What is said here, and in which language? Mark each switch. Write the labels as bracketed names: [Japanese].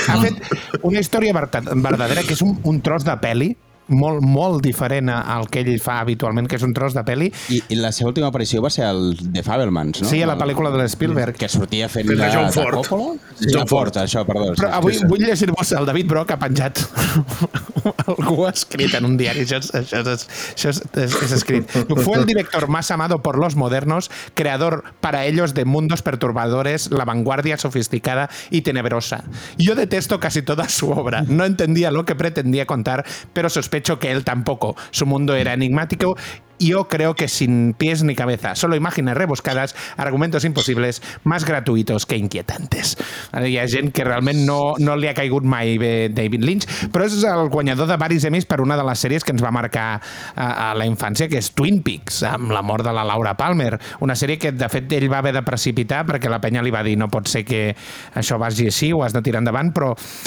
[Catalan] Ha fet una història verdadera, que és un tros de peli molt, molt diferent al que ell fa habitualment, que és un tros de peli. I la seva última aparició va ser el The Fabelmans, no? Sí, a la pel·lícula de Spielberg. Que sortia fent la Coppola? John Ford. Però avui vull llegir-vos el David Brock ha penjat. Algú ha escrit en un diari. Això és escrit. [Spanish] Fue el director más amado por los modernos, creador para ellos de mundos perturbadores, la vanguardia sofisticada y tenebrosa. Yo detesto casi toda su obra. No entendía lo que pretendía contar, pero sospecho que él tampoco. Su mundo era enigmático. Yo creo que sin pies ni cabeza, solo imágenes rebuscadas, argumentos imposibles, más gratuitos que inquietantes. [Catalan] Hi ha gent que realment no li ha caigut mai bé David Lynch, però és el guanyador de varis Emmys per una de les sèries que ens va marcar a la infància, que és Twin Peaks, amb la mort de la Laura Palmer. Una sèrie que, de fet, ell va haver de precipitar perquè la penya li va dir no pot ser que això vagi així, ho has de tirar endavant, però...